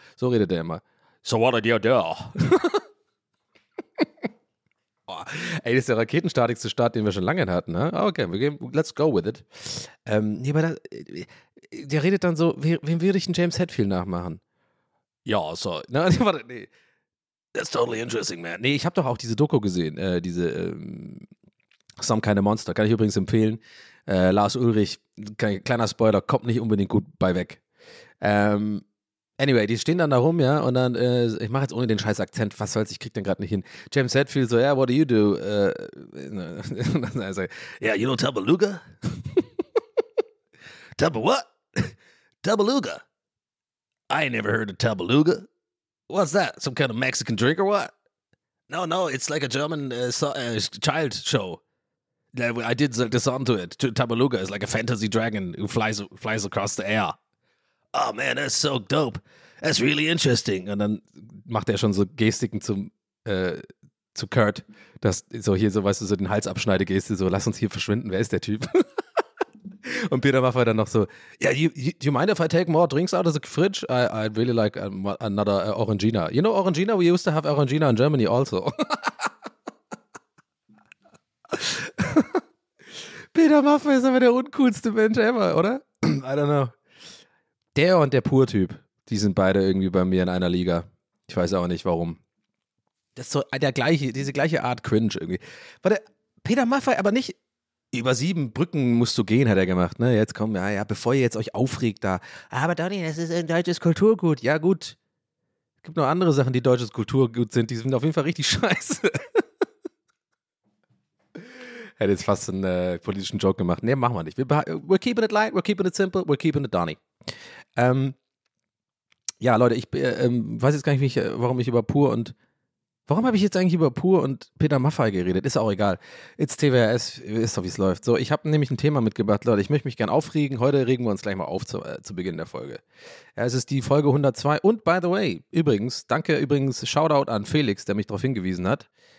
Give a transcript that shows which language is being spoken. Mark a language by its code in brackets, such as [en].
[de] So redet der immer. [en] So what did you do? Oh, [de] Ey, das ist der raketenstartigste Start, den wir schon lange hatten. Ne? Okay, wir gehen, [en] let's go with it. [de] Nee, aber da, der redet dann so, wem würde ich einen James Hetfield nachmachen? Ja, so. Nee, warte, nee. [en] That's totally interesting, man. [de] Nee, ich habe doch auch diese Doku gesehen, diese Some Kind of Monster. Kann ich übrigens empfehlen. Lars Ulrich, kleiner Spoiler, kommt nicht unbedingt gut bei weg. Anyway, die stehen dann da rum, ja, und dann, ich mache jetzt ohne den scheiß Akzent, was soll's, ich krieg den gerade nicht hin. [en] James Hetfield so, yeah, what do you do? [de] Dann sag ich, [en] yeah, you know Tabaluga? Tab what? Tabaluga? I ain't never heard of Tabaluga. What's that? Some kind of Mexican drink or what? No, no, it's like a German child show. I did the song to it. Tabaluga is like a fantasy dragon who flies across the air. Oh man, that's so dope. That's really interesting. [de] Und dann macht er schon so Gestiken zu Kurt, dass so hier so, weißt du, so den Hals abschneide Geste, so lass uns hier verschwinden, wer ist der Typ? Und [en] Peter Maffay [de] dann noch so, [en] yeah, do you mind if I take more drinks out of the fridge? I really like another Orangina. You know Orangina? We used to have Orangina in Germany also. [de] Peter Maffay ist aber der uncoolste Mensch ever, oder? [en] I don't know. [de] Der und der Pur-Typ, die sind beide irgendwie bei mir in einer Liga. Ich weiß auch nicht, warum. Das ist so der gleiche, diese gleiche Art Cringe irgendwie. Warte, Peter Maffay, aber nicht über sieben Brücken musst du gehen, hat er gemacht. Ne, jetzt komm, ja, bevor ihr jetzt euch aufregt da. Aber Donny, das ist ein deutsches Kulturgut. Ja gut, es gibt noch andere Sachen, die deutsches Kulturgut sind. Die sind auf jeden Fall richtig scheiße. Hätte jetzt fast einen politischen Joke gemacht. Nee, machen wir nicht. [en] We're keeping it light, we're keeping it simple, we're keeping it Donny. [de] Ja, Leute, ich weiß jetzt gar nicht, warum habe ich jetzt eigentlich über Pur und Peter Maffay geredet? Ist auch egal. [en] It's TWRS, [de] ist doch, wie es läuft. So, ich habe nämlich ein Thema mitgebracht, Leute, ich möchte mich gern aufregen. Heute regen wir uns gleich mal auf zu Beginn der Folge. Ja, es ist die Folge 102 und [en] by the way, [de] übrigens, danke übrigens, Shoutout an Felix, der mich darauf hingewiesen hat.